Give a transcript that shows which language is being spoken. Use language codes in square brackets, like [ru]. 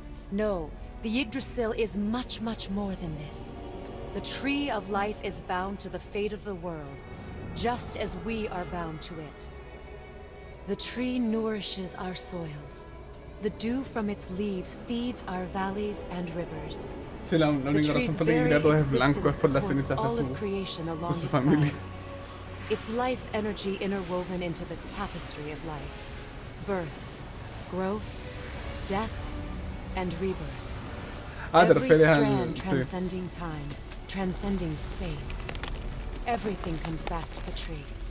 [en] No, the Yggdrasil is much, much more than this. The Tree of Life is bound to the fate of the world, just as we are bound to it. The tree nourishes our soils. The dew from its leaves feeds our valleys and rivers. [es] Sí, la única razón por la que todo es blanco es por las cenizas de su familia. [en] It's life energy interwoven into the tapestry of life. Birth, growth, death, and rebirth. [es] Ah, te refieres al... [en] transcending time, transcending space. Everything comes back to the tree.